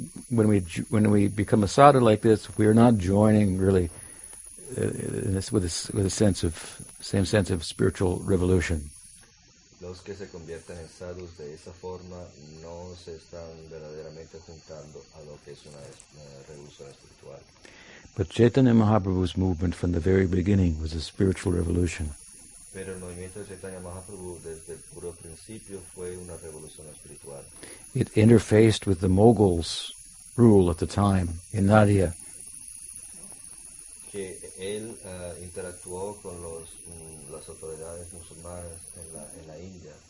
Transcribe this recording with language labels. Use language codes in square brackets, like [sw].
[en] When we become a sadhu like this, we are not joining really with the same sense of spiritual revolution. [es] Los que se convierten en sadhus de esa forma no se están verdaderamente juntando a lo que es una revolución espiritual. [en] But Chaitanya Mahaprabhu's movement from the very beginning was a spiritual revolution. [es] Pero el movimiento de Chaitanya Mahaprabhu desde el puro principio fue una revolución espiritual. [en] It interfaced with the Mughals' rule at the time in Nadia. [es] Que él interactuó con los las autoridades musulmanas en la India.